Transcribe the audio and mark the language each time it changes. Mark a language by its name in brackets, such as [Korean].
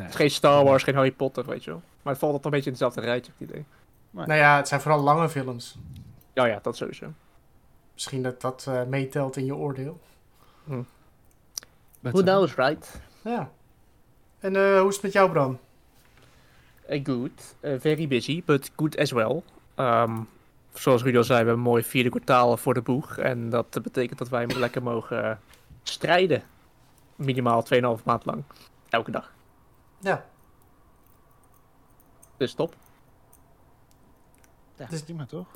[Dutch] Het is geen Star Wars, geen Harry Potter, weet je wel. Maar het valt altijd een beetje in hetzelfde rijtje, heb ik het idee. Maar... Nou ja, het zijn vooral lange films. Ja, ja, dat sowieso. Misschien dat dat meetelt in je oordeel. [English] Who knows, right? [Dutch] Ja. En hoe is het met jou, Bram? [English] Good. Very busy, but good as well. [Dutch] Zoals Rudy al zei, we hebben een mooi vierde kwartaal voor de boeg. En dat betekent dat wij lekker mogen strijden. Minimaal 2,5 maand lang. Elke dag. Ja. Dus top. Ja, dus, prima toch?